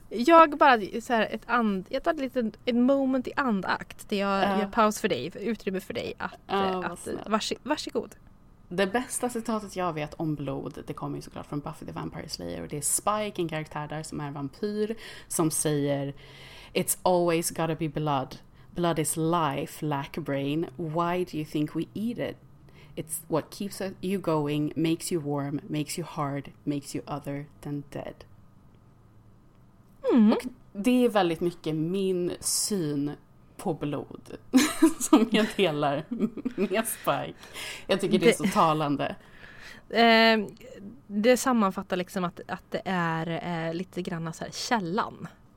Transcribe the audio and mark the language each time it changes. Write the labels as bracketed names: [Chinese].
[Swedish] Jag bara så här, jag tar ett moment i andakt där jag gör paus för dig, utrymme för dig varsågod. Det bästa citatet jag vet om blod, det kommer ju såklart från Buffy the Vampire Slayer, och det är Spike, en karaktär där som är vampyr, som säger [English] "It's always gotta be blood. Blood is life, lack brain. Why do you think we eat it? It's what keeps you going, makes you warm, makes you hard, makes you other than dead." Mm. [Swedish] Och det är väldigt mycket min syn på blod som jag delar med Spike. Jag tycker det är så talande. Det sammanfattar liksom att det är lite grann så här källan.